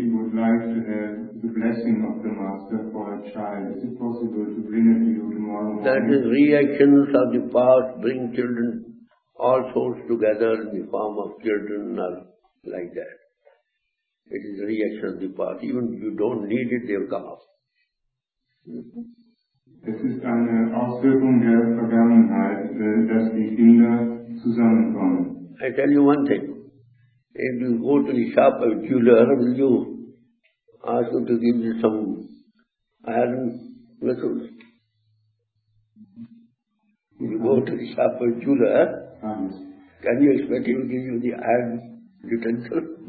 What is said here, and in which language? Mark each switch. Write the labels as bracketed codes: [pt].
[en] would like to have the blessing of the Master for a child. Is it possible to bring it to you tomorrow morning? That is, reactions of the past bring children, all souls together in the form of children are like that. It is a reaction of the past. Even if you don't need it, they will come up. [de] Es ist eine Auswirkung der Vergangenheit, dass die Kinder zusammenkommen. [en] I tell you one thing. If you go to the shop of a jeweler, will you ask him to give you some iron vessels? If you go to the shop of a jeweler, can you expect him to give you the iron utensil?